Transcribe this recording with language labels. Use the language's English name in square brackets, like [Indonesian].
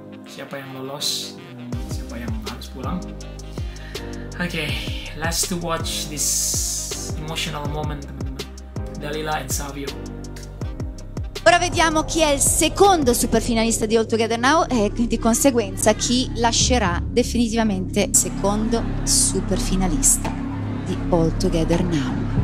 [Indonesian] Siapa yang lolos dan siapa yang harus pulang. [English] Oke, okay, let's to watch this emotional moment. [Italian] Dalila e Savio. Ora vediamo chi è il secondo superfinalista di All Together Now e di conseguenza chi lascerà definitivamente secondo superfinalista di All Together Now.